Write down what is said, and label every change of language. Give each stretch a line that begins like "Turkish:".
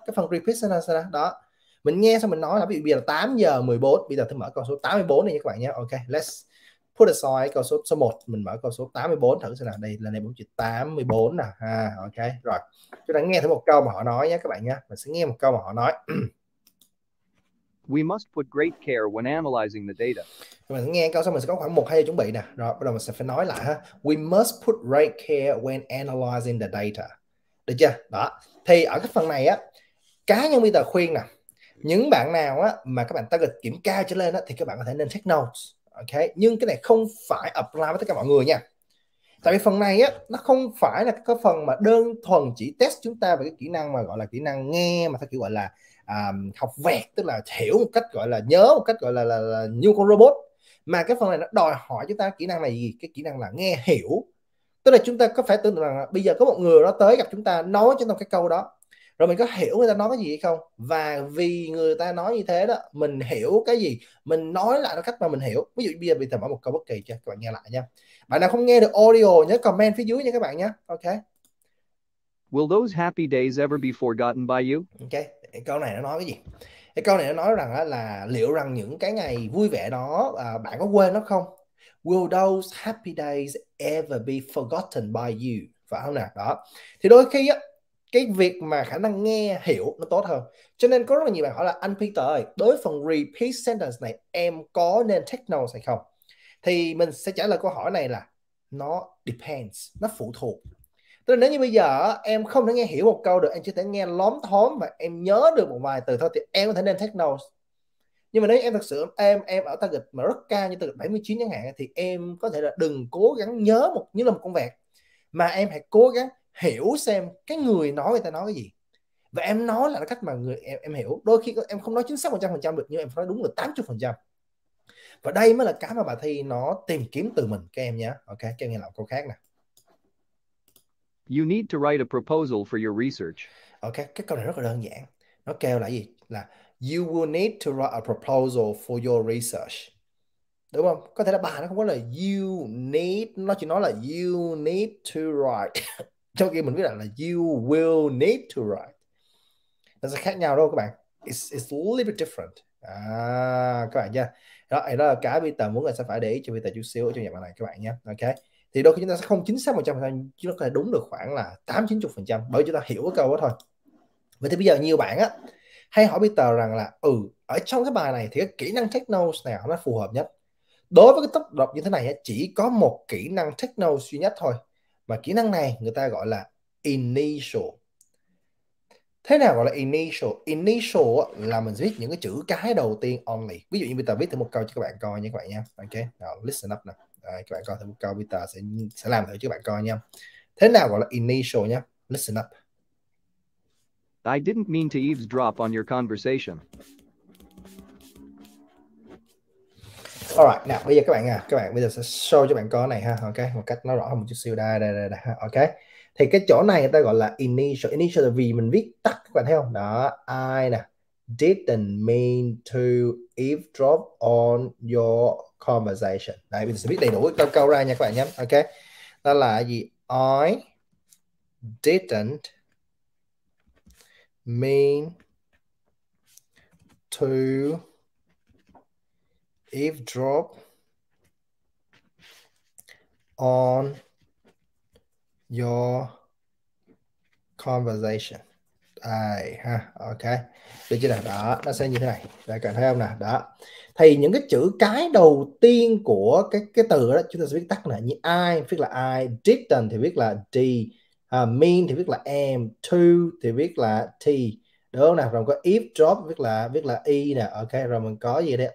Vietnamese: Cái phần repeat sentence đó, mình nghe xong mình nói là, ví dụ bây giờ 8 giờ 14, bây giờ tôi mở con số 84 này các bạn nhé. Ok,
English: let's put aside
Vietnamese: câu số số 1, mình mở câu số 84 thử xem nào. Đây là này bốn chữ 84 nè. Ok, rồi. Chúng ta nghe thử một câu mà họ nói nhé các bạn nhé. Mình sẽ nghe một câu mà họ nói.
English: We must put great care when analyzing the data.
Vietnamese: Mình sẽ nghe câu xong mình sẽ có khoảng 1 2 giờ chuẩn bị nè. Rồi, bắt đầu mình sẽ phải nói lại ha.
English: We must put great care when analyzing the data.
Vietnamese: Được chưa? Đó. Thì ở cái phần này á, cá nhân Peter khuyên nè, những bạn nào á mà các bạn target kiểm tra trở lên á thì các bạn có thể nên take notes. Ok, nhưng cái này không phải apply với tất cả mọi người nha. Tại vì phần này á, nó không phải là cái phần mà đơn thuần chỉ test chúng ta về cái kỹ năng mà gọi là kỹ năng nghe, mà theo kiểu gọi là học vẹt, tức là hiểu một cách gọi là nhớ, một cách gọi là như con robot. Mà cái phần này nó đòi hỏi chúng ta kỹ năng này gì? Cái kỹ năng là nghe hiểu. Tức là chúng ta có phải tưởng tượng rằng là bây giờ có một người đó tới gặp chúng ta nói cho tôi cái câu đó, rồi mình có hiểu người ta nói cái gì hay không, và vì người ta nói như thế đó mình hiểu cái gì, mình nói lại nó cách mà mình hiểu. Ví dụ bây giờ mình thử mở một câu bất kỳ cho các bạn nghe lại nha. Bạn nào không nghe được audio nhớ comment phía dưới nha các bạn nhé. Ok,
English: Will those happy days ever be forgotten by you?
Vietnamese: Câu này nó nói cái gì? Cái câu này nó nói rằng là liệu rằng những cái ngày vui vẻ đó bạn có quên nó không.
English: Will those happy days ever be forgotten by you,
Vietnamese: phải không nào? Đó, thì đôi khi á, cái việc mà khả năng nghe hiểu nó tốt hơn. Cho nên có rất là nhiều bạn hỏi là anh Peter ơi, đối phần repeat sentence này em có nên take notes hay không? Thì mình sẽ trả lời câu hỏi này là nó depends, nó phụ thuộc. Tức là nếu như bây giờ em không thể nghe hiểu một câu được, em chỉ thể nghe lóm thóm và em nhớ được một vài từ thôi thì em có thể nên take notes. Nhưng mà nếu em thật sự em ở target mà rất cao như target 79 chẳng hạn thì em có thể là đừng cố gắng nhớ một như là một con vẹt, mà em hãy cố gắng hiểu xem cái người nói, người ta nói cái gì, và em nói là cách mà người em hiểu. Đôi khi em không nói chính xác 100% được, nhưng em nói đúng được 80%. Và đây mới là cái mà bài thi nó tìm kiếm từ mình các em nhé. Ok, các em nghe lại câu khác
English: You need to write a proposal for your research.
Vietnamese: nè. Ok, cái câu này rất là đơn giản, nó kêu là gì, là
English: you will need to write a proposal for your research,
Vietnamese: đúng không? Có thể là bài nó không có là you need, nó chỉ nói là
English: you need to write.
Vietnamese: Trong khi mình biết là
English: you will need to write.
Vietnamese: Nó sẽ khác nhau đâu các bạn.
English: It's a little bit different.
Vietnamese: À, các bạn nha. Đó là cái beta muốn là sẽ phải để ý cho beta chút xíu ở trong dạng này các bạn nha. Ok. Thì đôi khi chúng ta sẽ không chính xác 100%, chứ nó có thể đúng được khoảng là 80-90% bởi chúng ta hiểu cái câu đó thôi. Vậy thì bây giờ nhiều bạn á hay hỏi beta rằng là ừ, ở trong cái bài này thì cái kỹ năng take notes nào nó phù hợp nhất? Đối với cái tốc độ như thế này chỉ có một kỹ năng take notes duy nhất thôi. Mà kỹ năng này người ta gọi là initial. Thế nào gọi là initial? Initial là mình viết những cái chữ cái đầu tiên only. Ví dụ như Peter viết thêm một câu cho các bạn coi nha các bạn nha. Ok, nào
English: listen up
Vietnamese: nè. Đấy, các bạn coi thêm một câu Peter sẽ làm thử cho các bạn coi nha. Thế nào gọi là initial nhé?
English: Listen up. I didn't mean to eavesdrop on your conversation.
Vietnamese: Alright, nào bây giờ các bạn à, các bạn bây giờ sẽ show cho bạn coi này ha, ok, một cách nó rõ hơn một chút xíu đây, đây, đây, đây, ok. Thì cái chỗ này người ta gọi là initial. Initial là vì mình viết tắt, các bạn thấy không?
English: Đó, I nè. Didn't mean to eavesdrop on your conversation.
Vietnamese: Đấy, mình sẽ viết đầy đủ câu câu ra nha các bạn nhé. Ok. Đó là gì?
English: I didn't mean to eavesdrop on your conversation.
Vietnamese: Đây, ha, ok. Được chưa nào? Đó, nó sẽ như thế này. Đây, các bạn thấy không nào? Đó. Thì những cái chữ cái đầu tiên của cái từ đó chúng ta sẽ viết tắt nè. Như I viết là I, didn't thì viết là D, mean thì viết là M, to thì viết là T. Đúng không nào? Rồi có eavesdrop viết là E nè. Ok, rồi mình có gì đây?